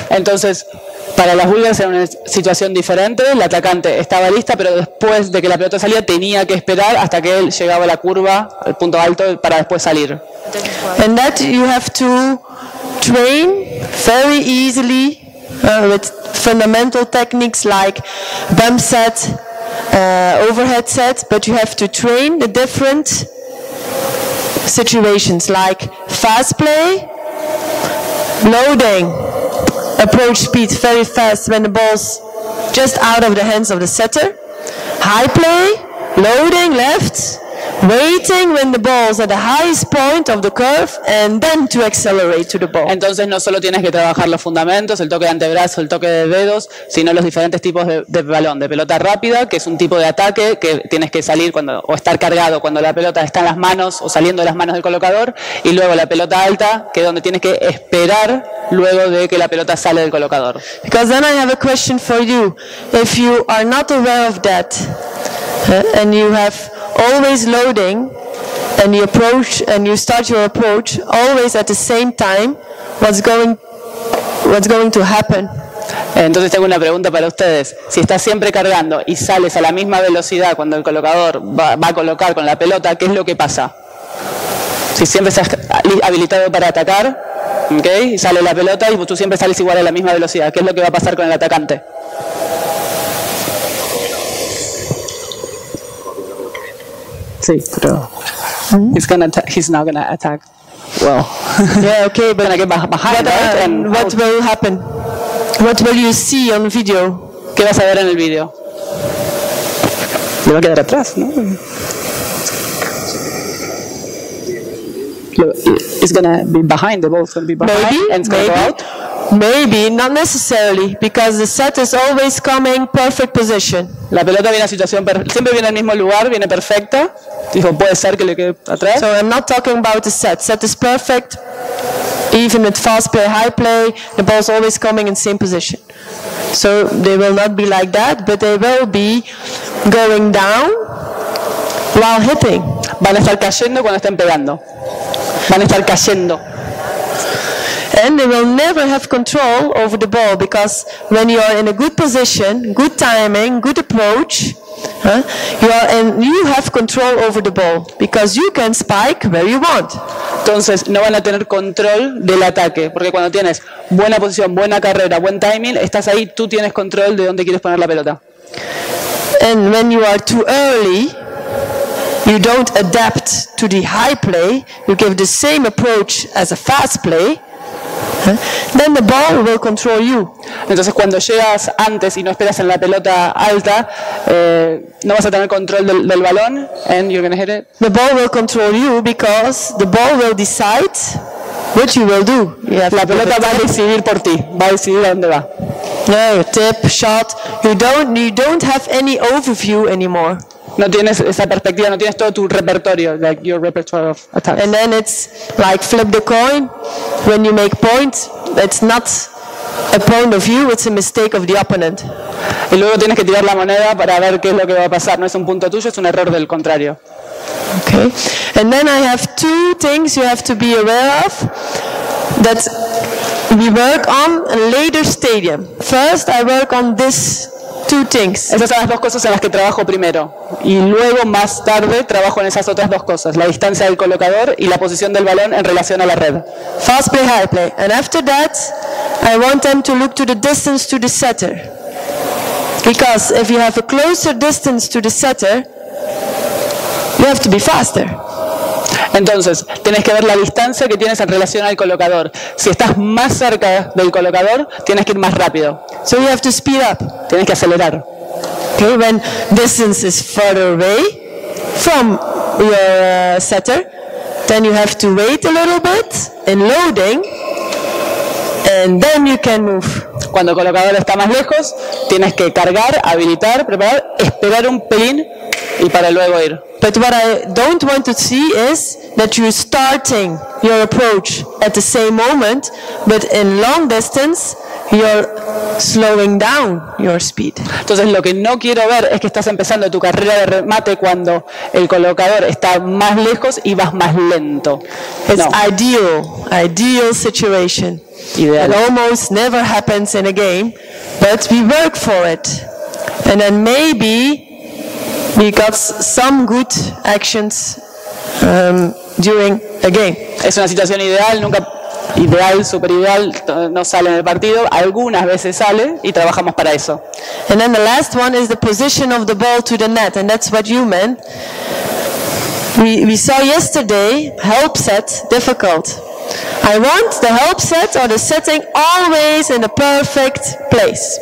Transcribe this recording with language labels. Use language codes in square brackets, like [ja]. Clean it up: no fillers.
[es] Entonces, para las búlgaras era una situación diferente. El atacante estaba lista, pero después de que la pelota salía, tenía que esperar hasta que él llegaba a la curva, al punto alto, para después salir. [en] And that you have to train very easily with fundamental techniques like bump set, overhead set, but you have to train the different situations like fast play, loading, approach speed very fast when the ball's just out of the hands of the setter, high play, loading left, waiting when the ball's at the highest point of the curve, and then to accelerate to the ball. [es] Entonces no solo tienes que trabajar los fundamentos, el toque de antebrazo, el toque de dedos, sino los diferentes tipos de balón, de pelota rápida, que es un tipo de ataque que tienes que salir cuando, o estar cargado cuando la pelota está en las manos o saliendo de las manos del colocador, y luego la pelota alta, que es donde tienes que esperar luego de que la pelota sale del colocador. [en] Because then I have a question for you. If you are not aware of that, and you have always loading, and you approach, and you start your approach always at the same time, what's going to happen? [es] Entonces tengo una pregunta para ustedes. Si estás siempre cargando y sales a la misma velocidad cuando el colocador va a colocar con la pelota, ¿qué es lo que pasa? Si siempre estás habilitado para atacar, okay, y sale la pelota y tú siempre sales igual a la misma velocidad, ¿qué es lo que va a pasar con el atacante? Sí, pero [en] he's not gonna attack. Well, yeah, okay, but I get behind, but, right? And what will happen? What will you see on video? [es] ¿Qué vas a ver en el video? Me va a quedar atrás, ¿no? [en] It's gonna be behind the ball. It's gonna be behind, maybe, and it's gonna maybe go out. Maybe, not necessarily, because the set is always coming perfect position. [es] La pelota viene a situación siempre viene al mismo lugar, viene perfecta. Dijo, puede ser que le quede atrás. [en] So I'm not talking about the set. Set is perfect, even with fast play, high play, the ball is always coming in same position. So they will not be like that, but they will be going down while hitting. [es] Van a estar cayendo cuando estén pegando. Van a estar cayendo. [en] And they will never have control over the ball, because when you are in a good position, good timing, good approach, you have control over the ball, because you can spike where you want. [es] Entonces, no van a tener control del ataque, porque cuando tienes buena posición, buena carrera, buen timing, estás ahí, tú tienes control de dónde quieres poner la pelota. [en] And when you are too early, you don't adapt to the high play, you give the same approach as a fast play, then the ball will control you. [es] Entonces cuando llegas antes y no esperas en la pelota alta, no vas a tener control del balón, [en] and you're going to hit it. The ball will control you because the ball will decide what you will do. [es] La pelota va a decidir por ti, va a decidir dónde va. [en] No, tip, shot, you don't have any overview anymore. [es] No tienes esa perspectiva, no tienes todo tu repertorio, [en] like your repertoire of attacks. And then it's like flip the coin. When you make points, it's not a point of view, it's a mistake of the opponent. [es] Y luego tienes que tirar la moneda para ver qué es lo que va a pasar. No es un punto tuyo, es un error del contrario. [en] Okay. And then I have two things you have to be aware of that we work on a later stadium. First, I work on this. Two things. [es] Esas son las dos cosas en las que trabajo primero. Y luego, más tarde, trabajo en esas otras dos cosas. La distancia del colocador y la posición del balón en relación a la red. [en] Fast play, high play. And after that, I want them to look to the distance to the setter. Because if you have a closer distance to the setter, you have to be faster. [es] Entonces, tienes que ver la distancia que tienes en relación al colocador. Si estás más cerca del colocador, tienes que ir más rápido. [en] So you have to speed up. [es] Tienes que acelerar. [en] Okay, when distance is further away from your setter, then you have to wait a little bit in loading, and then you can move. [es] Cuando el colocador está más lejos, tienes que cargar, habilitar, preparar, esperar un pelín y para luego ir. [en] But what I don't want to see is that you're starting your approach at the same moment, but in long distance, you're slowing down your speed. [es] Entonces, lo que no quiero ver es que estás empezando tu carrera de remate cuando el colocador está más lejos y vas más lento. [en] It's no. ideal situation. Ideal. It almost never happens in a game, but we work for it. And then maybe we got some good actions during a game. [es] Es una situación ideal, nunca ideal, super ideal, no sale en el partido. Algunas veces sale y trabajamos para eso. [en] And then the last one is the position of the ball to the net, and that's what you meant. We saw yesterday help set difficult. I want the help set or the setting always in a perfect place.